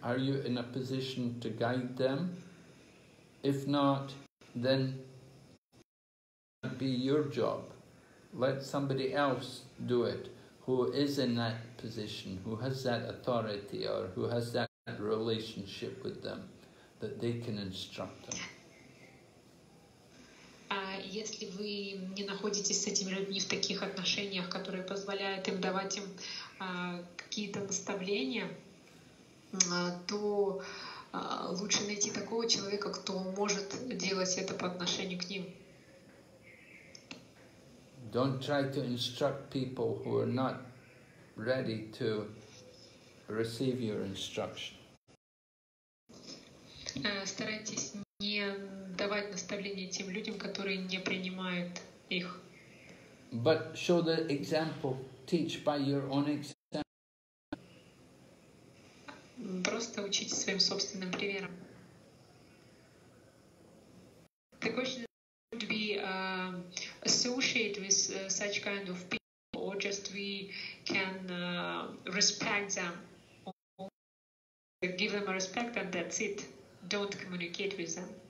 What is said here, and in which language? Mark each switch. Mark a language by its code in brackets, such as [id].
[en] Are you in a position to guide them? If not, then it won't be your job. Let somebody else do it who is in that position, who has that authority or who has that relationship with them, that they can instruct them. [ru] Если вы не находитесь с этими людьми в таких отношениях, которые позволяют им давать им какие-то наставления, то лучше найти такого человека, кто может делать это по отношению к ним. [en] Don't try to instruct people who are not ready to receive your instruction. [ru] Старайтесь не давать наставления тем людям, которые не принимают их. [en] But show the example, teach by your own example. [ru] Просто учите своим собственным примером. [en] The question would be associate with such kind of people, or just we can respect them, or give them a respect and that's it. Don't communicate with them.